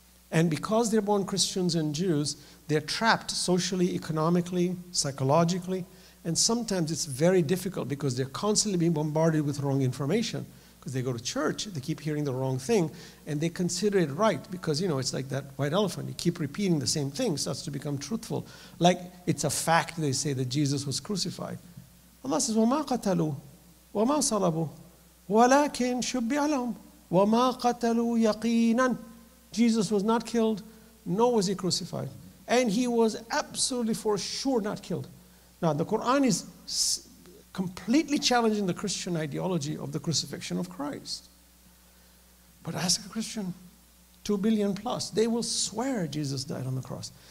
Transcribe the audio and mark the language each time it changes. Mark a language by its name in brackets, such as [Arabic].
[English] And because they're born Christians and Jews, they're trapped socially, economically, psychologically, and sometimes it's very difficult because they're constantly being bombarded with wrong information. Because they go to church, they keep hearing the wrong thing, and they consider it right because, you know, it's like that white elephant. You keep repeating the same thing, starts to become truthful. Like, it's a fact, they say, that Jesus was crucified. Allah says, [Arabic] وَمَا قَتَلُوا وَمَا صَلَبُوا وَلَكِنْ شُبِّعَ لَهُمْ وَمَا قَتَلُوا يَقِينًا. [English] Jesus was not killed, nor was he crucified. And he was absolutely for sure not killed. Now, the Quran is completely challenging the Christian ideology of the crucifixion of Christ. But ask a Christian, 2 billion plus, they will swear Jesus died on the cross.